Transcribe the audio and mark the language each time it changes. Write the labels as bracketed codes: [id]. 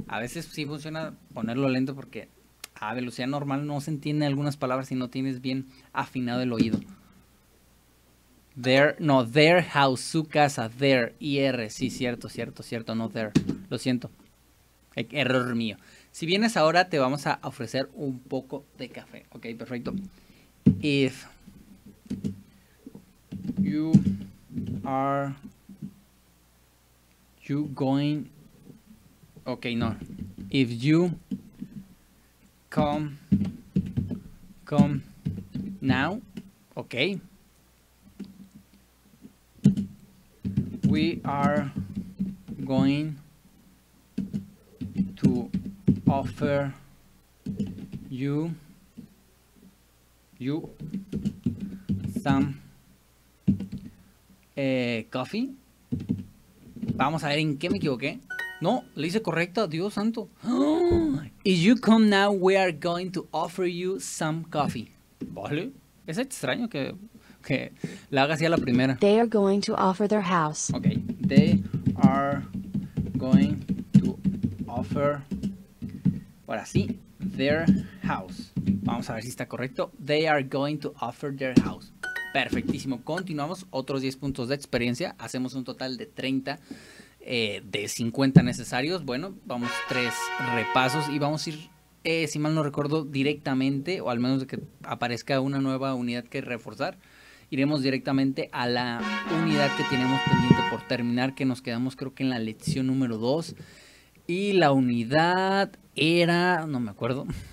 [es] A veces sí funciona ponerlo lento porque a velocidad normal no se entiende algunas palabras si no tienes bien afinado el oído. [en] Their house, [es] su casa, [en] their, IR. [es] Sí, cierto, no their. Lo siento. Error mío. Si vienes ahora, te vamos a ofrecer un poco de café. Ok, perfecto. [en] If you are you going, okay, no, if you come now, okay, we are going to offer you some coffee. [es] Vamos a ver en qué me equivoqué. No, le hice correcto. Dios santo. [en] If you come now, we are going to offer you some coffee. [es] Vale. Es extraño que la haga así a la primera. [en] They are going to offer their house. Okay. They are going to offer, [es] ahora sí, [en] their house. [es] Vamos a ver si está correcto. [en] They are going to offer their house. [es] Perfectísimo, continuamos, otros 10 puntos de experiencia, hacemos un total de 30, de 50 necesarios, bueno, vamos 3 repasos y vamos a ir, si mal no recuerdo, directamente, o al menos que aparezca una nueva unidad que reforzar, iremos directamente a la unidad que tenemos pendiente por terminar, que nos quedamos creo que en la lección número 2, y la unidad era, no me acuerdo...